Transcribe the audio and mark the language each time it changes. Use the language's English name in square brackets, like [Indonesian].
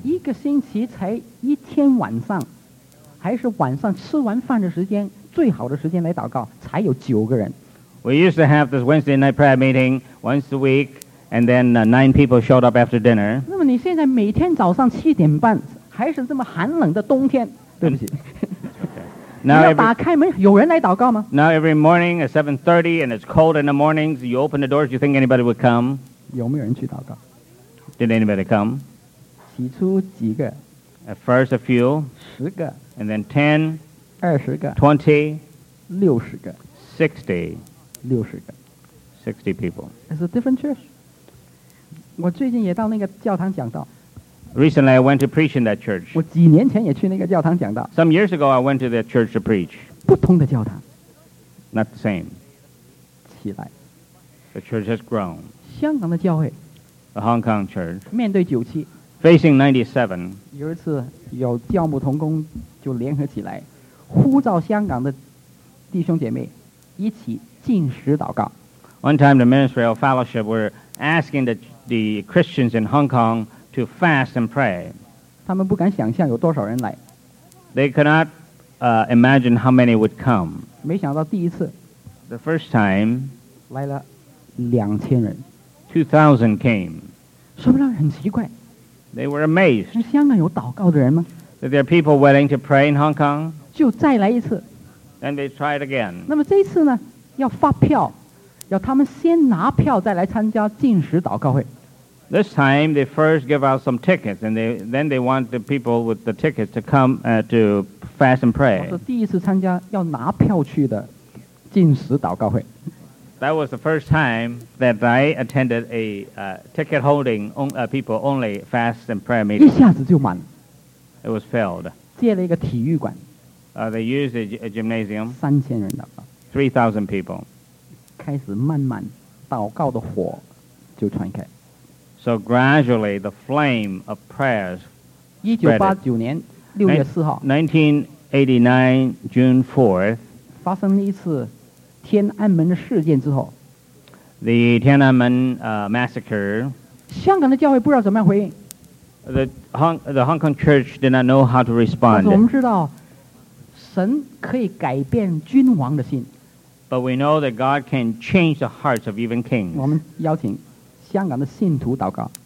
[Chinese] 一个星期才一天晚上, 还是晚上吃完饭的时间, 最好的时间来祷告才有九个人。 [English] We used to have this Wednesday night prayer meeting once a week, and then 9 people showed up after dinner. [Chinese] 那么你现在每天早上7点半, 还是这么寒冷的冬天, 对不起, [English] now [Chinese] 你要打开门, 有人来祷告吗? [English] Now every morning at 7:30 and it's cold in the mornings, you open the doors, you think anybody would come? [Chinese] 有没有人去祷告? [English] Did anybody come? [Chinese] 起初几个? [English] At first a few. [Chinese] 十个, [English] and then 10. [Chinese] 二十个, [English] 20, [Chinese] 六十个, [English] 60, [Chinese] 六十个, [English] 60 people. It's a different church. [Chinese] 我最近也到那个教堂讲道。 [English] Recently, I went to preach in that church. [Chinese] 我几年前也去那个教堂讲道。 [English] Some years ago, I went to that church to preach. [Chinese] 不同的教堂。 [English] Not the same. [Chinese] 起来。 [English] The church has grown. [Chinese] 香港的教会。 [English] The Hong Kong church. [Chinese] 面对97。 [English] Facing 97. [Chinese] 有一次有教牧同工就联合起来, 呼召香港的弟兄姐妹一起禁食祷告。 [English] One time the ministry of fellowship were asking the Christians in Hong Kong to fast and pray. [Chinese] 他们不敢想象有多少人来。 [English] They could not imagine how many would come. [Chinese] 没想到第一次, [English] the first time, [Chinese] 来了2000人。 [English] 2000 came. [Chinese] 说不定很奇怪。 [English] They were amazed. [Chinese] 香港有祷告的人吗? [English] That there are people willing to pray in Hong Kong. [Chinese] 就再来一次, [English] and they try it again. [Chinese] 那么这一次呢, 要发票, 要他们先拿票再来参加禁食祷告会。 [English] This time, they first give out some tickets, and then they want the people with the tickets to come to fast and pray. [Chinese] 我是第一次参加要拿票去的禁食祷告会。 [English] That was the first time that I attended a ticket-holding people-only fast and prayer meeting. [Chinese] 一下子就满了。 [English] It was filled. [Chinese] 借了一个体育馆。 [English] They used a gymnasium. [Chinese] 3000人祷告, [English] 3,000 people. [Chinese] 开始慢慢祷告的火就传开。 [English] So gradually, the flame of prayers spread. [Chinese] 1989年6月4号, [English] 1989, June 4th, [Chinese] 发生了一次天安门事件之后, [English] the Tiananmen massacre, [Chinese] 香港的教会不知道怎么样回应。 [English] The Hong Kong church did not know how to respond. [Chinese] 我们知道,神可以改变君王的心。 [English] But we know that God can change the hearts of even kings. [Chinese] 我们邀请香港的信徒祷告。